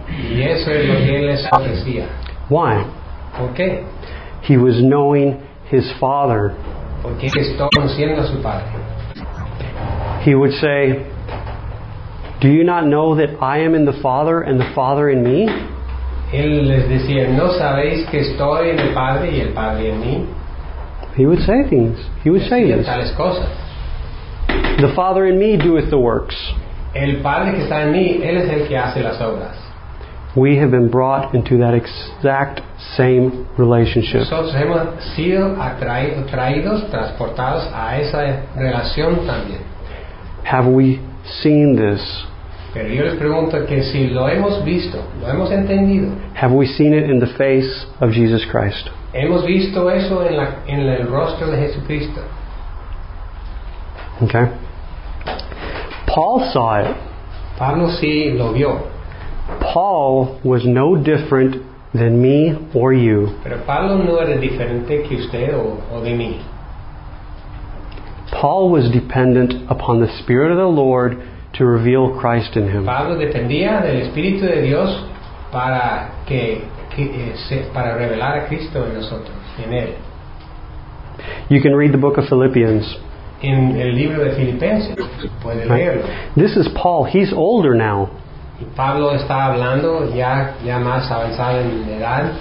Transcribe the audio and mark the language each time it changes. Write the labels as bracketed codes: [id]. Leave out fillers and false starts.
[es] Y eso es lo que él les ofrecía. [en] Why? [es] ¿Por qué? [en] He was knowing his Father. [es] Porque él estaba conociendo a su Padre. [en] He would say, "Do you not know that I am in the Father and the Father in me?" [es] Él les decía, "¿No sabéis que estoy en el Padre y el Padre en mí?" [en] He would say things. He would say this. [es] Tales cosas. [en] The Father in me doeth the works. [es] El Padre que está en mí, él es el que hace las obras. [en] We have been brought into that exact same relationship. [es] Nosotros hemos sido atraídos, transportados a esa relación también. [en] Have we seen this? [es] Pero yo les pregunto que si lo hemos visto, lo hemos entendido. [en] Have we seen it in the face of Jesus Christ? [es] Hemos visto eso en el rostro de Jesucristo. [en] Okay. Paul saw it. [es] Pablo sí lo vio. [en] Paul was no different than me or you. [es] Pero Pablo no era diferente que usted o de mí. [en] Paul was dependent upon the Spirit of the Lord to reveal Christ in him. [es] Pablo dependía del Espíritu de Dios para que para revelar a Cristo en nosotros, en él. [en] You can read the book of Philippians. [es] En el libro de Filipenses puede right. leerlo. [en] This is Paul. He's older now. [es] Y Pablo está hablando ya más avanzado en edad.